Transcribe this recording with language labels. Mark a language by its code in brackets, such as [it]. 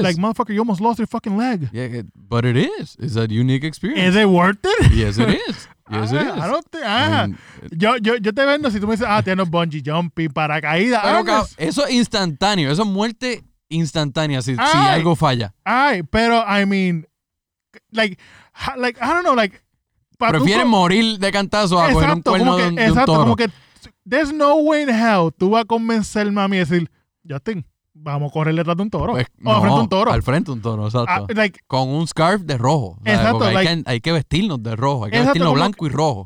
[en] Like, motherfucker, you almost lost your fucking leg. Yeah, but it is. It's a unique experience. Is it worth it? Yes, it is. Yes, it is. [es] Yo te vendo si tú me dices, tienes bungee jumping, paracaídas. Pero, eso es instantáneo, eso es muerte instantánea si algo falla. [en] Ay, pero, I mean, like, I don't know, like, [es] prefieres morir de cantazo a coger un cuerno de un toro. Exacto, como que [en] there's no way in hell [es] tú vas a convencerme a mí y decir, Justin, vamos a correr detrás de un toro. Al frente de un toro, exacto. Con un scarf de rojo. Exacto. Porque hay que vestirnos de rojo. Hay que vestirnos blanco y rojo.